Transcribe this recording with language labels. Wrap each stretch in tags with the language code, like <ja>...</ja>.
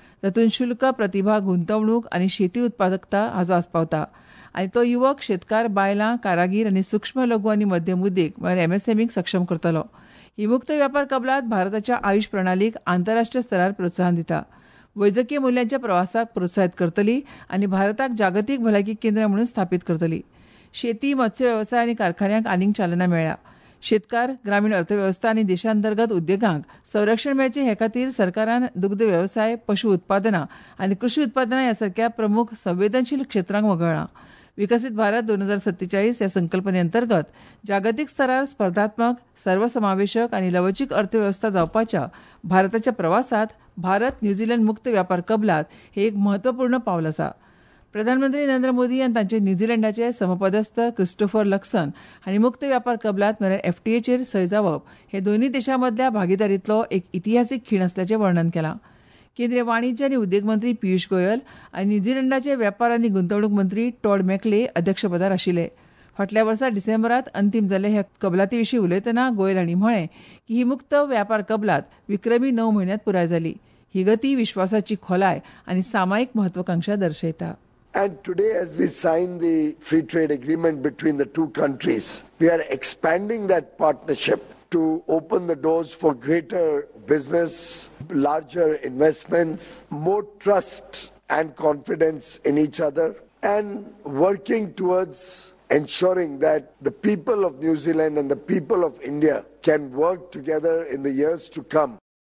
<gom>तातूंत शुल्क, प्रतिभा, गुंतवणूक आनी शेती उत्पादकता हाजो आसपावता आनी तो युवक, शेतकार, बायलां, कारागीर आनी सुक्ष्म लघू आनी मध्यम उद्देग म्हळ्यार एमएसएमईक सक्षम करतलो। ही मुक्त व्यापार कबलात भारताच्या आयुष प्रणालीक आंतरराष्ट्रीय स्तरार प्रोत्साहन दिता, वैजकीय मूल्यांच्या प्रवासाक प्रोत्साहित करतली आनी भारताक जागतीक भलायकी केंद्र म्हणून स्थापित करतली। शेती, मत्स्य वेवसाय आनी कारखान्यांक आनीक चालना मेळ्ळ्या। शेतकार, ग्रामीण अर्थवेवस्था आनी देशांतर्गत उद्देगांक संरक्षण मेळचे हे खातीर सरकारान दुग्ध वेवसाय, पशु उत्पादनां आनी कृषी उत्पादनां ह्या सारख्या प्रमुख संवेदनशील क्षेत्रांक वगळ्ळां। विकसित भारत 2047 ह्या संकल्पनेअंतर्गत जागतीक स्तरार स्पर्धात्मक, सर्वसमावेशक आनी लवचीक अर्थवेवस्था जावपाच्या भारताच्या प्रवासात भारत न्यूझीलंड मुक्त व्यापार कबलात हे एक महत्वपूर्ण पावल आसा। प्रधानमंत्री नरेंद्र मोदी आणि त्यांचे न्यूझीलंडचे समपदस्थ क्रिस्टोफर लक्सन आणि मुक्त व्यापार कबलात म्हणजे एफटीएचेर सय जावप हे दोन्ही देशांमधल्या भागीदारीतलो एक इतिहासिक खीण असल्याचे वर्णन केला। केंद्रीय वाणिज्य आणि उद्योग मंत्री पियुष गोयल आणि न्यूझीलंडचे व्यापार आणि गुंतवणूक मंत्री टॉड मॅकले अध्यक्षपदार आशिले। फाटल्या वर्षा डिसेंबरात अंतिम झाले ह्या कबलातीविषयी उलयताना गोयल आणि म्हणे की ही मुक्त व्यापार कबलात विक्रमी 9 महिन्यात पुराय झाली। ही गती विश्वासाची खोलाय आणि सामायिक महत्वाकांक्षा दर्शवता।</gom> <en>And today, as we sign the free trade agreement between the two countries, we are expanding that partnership to open the doors for greater business, larger investments, more trust and confidence in each other, and working towards ensuring that the people of New Zealand and the people of India can work together in the years to come.</en>